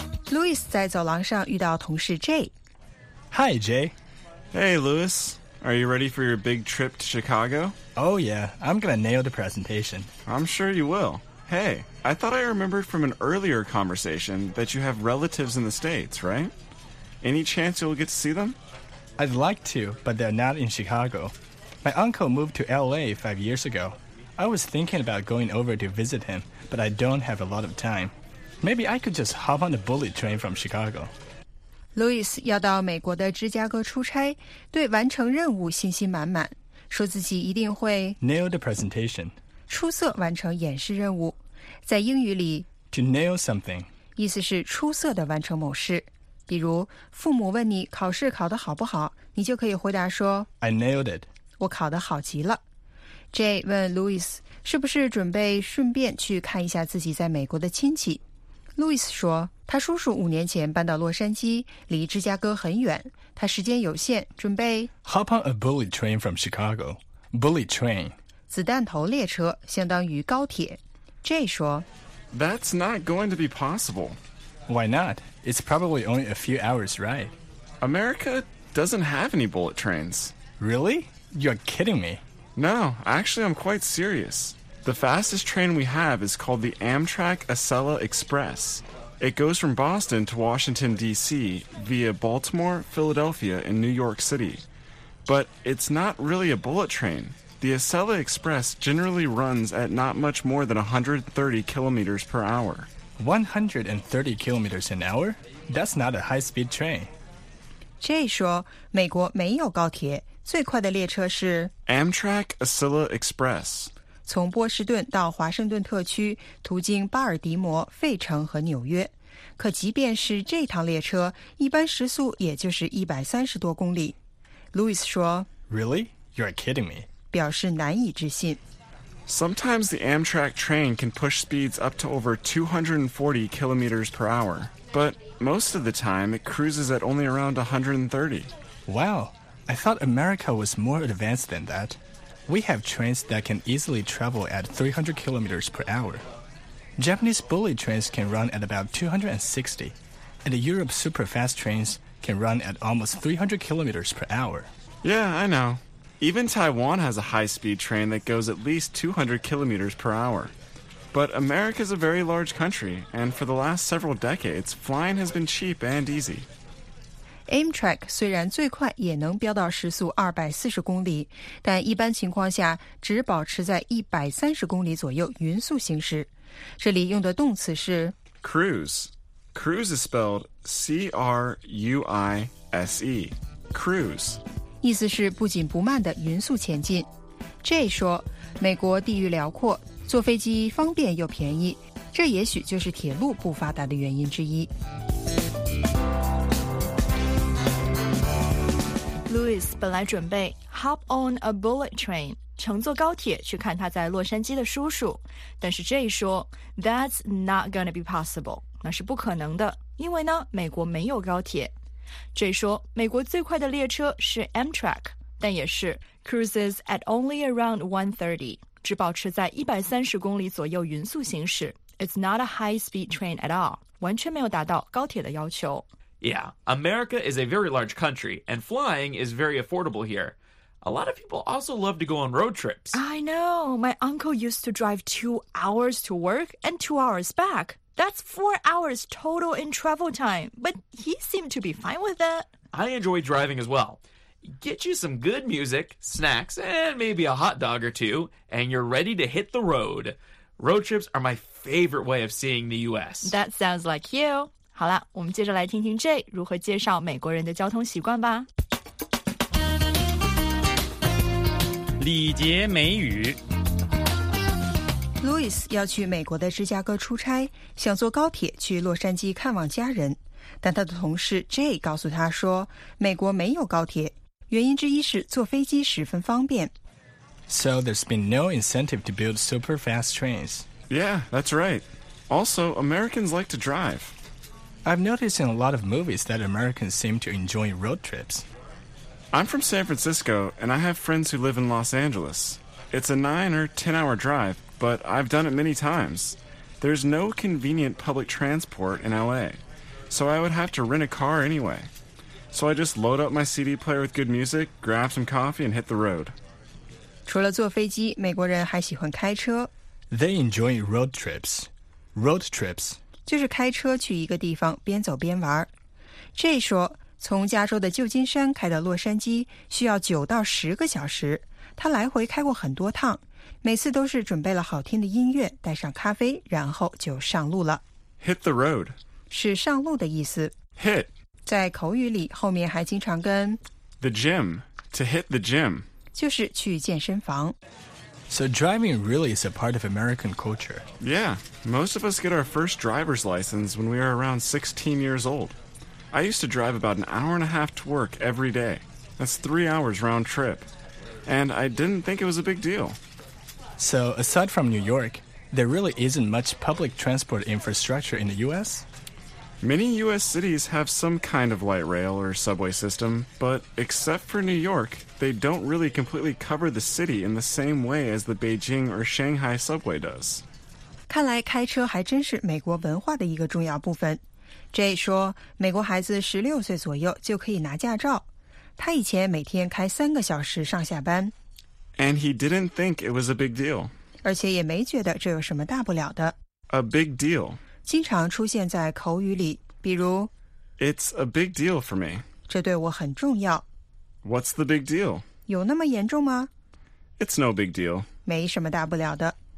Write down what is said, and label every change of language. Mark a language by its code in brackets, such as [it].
[zh] Louis 在走廊上遇到同事 Jay。 [en] Hi, Jay. Hey, Louis. Are you ready for your big trip to Chicago? Oh, yeah. I'm gonna nail the presentation. I'm sure you will. Hey, I thought I remembered from an earlier conversation that you have relatives in the States, right? Any chance you'll get to see them? I'd like to, but they're not in Chicago. My uncle moved to L.A. 5 years ago. I was thinking about going over to visit him, but I don't have a lot of time. Maybe I could just hop on the bullet train from Chicago. [zh] Louis 要到美国的芝加哥出差，对完成任务信心满满，说自己一定会 [en] nail the presentation， [zh] 出色完成演示任务。在英语里 [en] ，to nail something [zh] 意思是出色的完成某事。比如，父母问你考试考得好不好，你就可以回答说 [en] ，I nailed it， [zh] 我考得好极了。 Jay 问 Louis 是不是准备顺便去看一下自己在美国的亲戚。 Louis 说，他叔叔五年前搬到洛杉矶，离芝加哥很远，他时间有限，准备 [en] Hop on a bullet train from Chicago. Bullet train. [zh] 子弹头列车相当于高铁。 Jay 说 [en] That's not going to be possible. Why not? It's probably only a few hours ride. America doesn't have any bullet trains. Really? You're kidding me. No, actually I'm quite serious.The fastest train we have is called the Amtrak Acela Express. It goes from Boston to Washington, D.C. via Baltimore, Philadelphia, and New York City. But it's not really a bullet train. The Acela Express generally runs at not much more than 130 kilometers per hour. 130 kilometers an hour? That's not a high-speed train. [zh] Jay 说美国没有高铁最快的列车是 [en] Amtrak Acela Express [zh] 从波士顿到华盛顿特区途经巴尔的摩费城和纽约可即便是这趟列车一般时速也就是130多公里 Louis 说 [en] Really? You're kidding me [zh] 表示难以置信 [en] Sometimes the Amtrak train can push speeds up to over 240 kilometers per hour But most of the time it cruises at only around 130 Wow I thought America was more advanced than that. We have trains that can easily travel at 300 kilometers per hour. Japanese bullet trains can run at about 260, and Europe's super-fast trains can run at almost 300 kilometers per hour. Yeah, I know. Even Taiwan has a high-speed train that goes at least 200 kilometers per hour. But America's a very large country, and for the last several decades, flying has been cheap and easy. [zh] Amtrak 虽然最快也能飙到时速240公里，但一般情况下只保持在130公里左右匀速行驶。这里用的动词是 [en] cruise. Cruise is spelled C-R-U-I-S-E. Cruise. [zh] 意思是不紧不慢的匀速前进。J 说，美国地域辽阔，坐飞机方便又便宜，这也许就是铁路不发达的原因之一。 Louis 本来准备 [en] hop on a bullet train [zh] 乘坐高铁去看他在洛杉矶的叔叔，但是 Jay 说 [en] That's not gonna be possible [zh] 那是不可能的，因为呢美国没有高铁。 Jay 说美国最快的列车是 Amtrak 但也是 [en] cruises at only around 130 [zh] 只保持在130公里左右匀速行驶 [en] It's not a high speed train at all [zh] 完全没有达到高铁的要求。 [en] Yeah, America is a very large country, and flying is very affordable here. A lot of people also love to go on road trips. I know. My uncle used to drive 2 hours to work and 2 hours back. That's 4 hours total in travel time, but he seemed to be fine with it. I enjoy driving as well. Get you some good music, snacks, and maybe a hot dog or two, and you're ready to hit the road. Road trips are my favorite way of seeing the U.S. That sounds like you. [zh] 好了，我们接着来听听 Jay 如何介绍美国人的交通习惯吧。礼节美语。 Louis 要去美国的芝加哥出差，想坐高铁去洛杉矶看望家人，但他的同事 Jay 告诉他说，美国没有高铁，原因之一是坐飞机十分方便。 [en] So there's been no incentive to build super fast trains. Yeah, that's right. Also, Americans like to drive. I've noticed in a lot of movies that Americans seem to enjoy road trips. I'm from San Francisco, and I have friends who live in Los Angeles. It's a 9 or 10 hour drive, but I've done it many times. There's no convenient public transport in LA, so I would have to rent a car anyway. So I just load up my CD player with good music, grab some coffee, and hit the road. [zh] 除了坐飞机，美国人还喜欢开车。 [en] They enjoy road trips. Road trips. [zh] 就是开车去一个地方边走边玩。 Jay 说从加州的旧金山开到洛杉矶需要9到10个小时。他来回开过很多趟，每次都是准备了好听的音乐，带上咖啡，然后就上路了。 [en] Hit the road. [zh] 是上路的意思。 [en] Hit. [zh] 在口语里后面还经常跟 [en] The gym. To hit the gym. [zh] 就是去健身房。 [en] So driving really is a part of American culture. Yeah, most of us get our first driver's license when we are around 16 years old. I used to drive about 1.5 hours to work every day. That's 3 hours round trip. And I didn't think it was a big deal. So aside from New York, there really isn't much public transport infrastructure in the U.S.? Many U.S. cities have some kind of light rail or subway system, but except for New York... They don't really completely cover the city in the same way as the Beijing or Shanghai subway does. [zh] 看来开车还真是美国文化的一个重要部分。 Jay 说，美国孩子16岁左右就可以拿驾照。他以前每天开3个小时上下班。 [en] And he didn't think it was a big deal. [zh] 而且也没觉得这有什么大不了的。 [en] A big deal. [zh] 经常出现在口语里，比如 [en] It's a big deal for me. [zh] 这对我很重要。 [en] What's the big deal? [zh] 有那么严重吗？ [en] It's no big deal. [zh] 没什么大不了的。